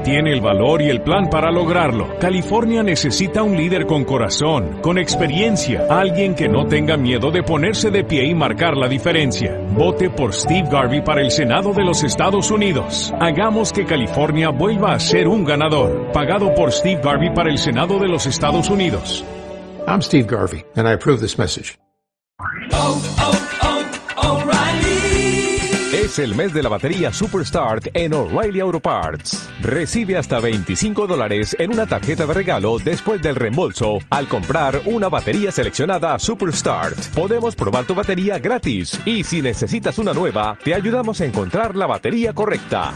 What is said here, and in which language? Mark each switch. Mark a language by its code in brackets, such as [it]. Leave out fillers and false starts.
[es] Tiene el valor y el plan para lograrlo. California necesita un líder con corazón, con experiencia, alguien que no tenga miedo de ponerse de pie y marcar la diferencia. Vote por Steve Garvey para el Senado de los Estados Unidos. Hagamos que California vuelva a ser un ganador. Pagado por Steve Garvey para el Senado de los Estados Unidos. [en] I'm Steve Garvey, and I approve this message. [es] Es el mes de la batería Superstart en O'Reilly Auto Parts. Recibe hasta $25 en una tarjeta de regalo después del reembolso al comprar una batería seleccionada Superstart. Podemos probar tu batería gratis y si necesitas una nueva, te ayudamos a encontrar la batería correcta.